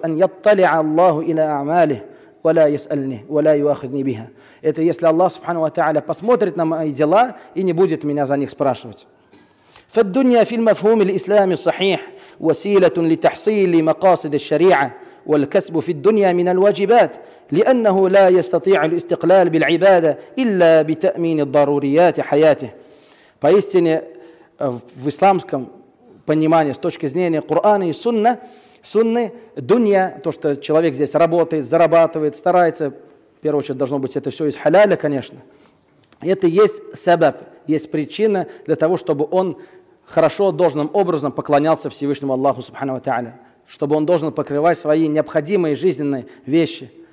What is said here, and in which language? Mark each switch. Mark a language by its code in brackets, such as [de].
[ar] «Ан ятталя Аллаху иля а'мали, вала ясальни, вала юахидни биха». [ru] Это если Аллах, субхану ва та'аля, посмотрит на мои дела и не будет меня за них спрашивать. [ar] «Фаддунья фил мафхуми ль-исламе сахих, василатун ли тахсили макасид ш-шари'а». والكسب في الدنيا من الواجبات لأنه لا يستطيع الاستقلال بالعبادة إلا بتأمين الضروريات حياته. [ru] Поистине, в исламском понимании, с точки зрения Корана и Сунны, дунья, то, что человек здесь работает, зарабатывает, старается, в первую очередь должно быть это все из халяля, конечно, это есть сабаб, есть причина для того, чтобы он хорошо, должным образом поклонялся Всевышнему Аллаху Субхану ва Тааля, чтобы он должен покрывать свои необходимые жизненные вещи.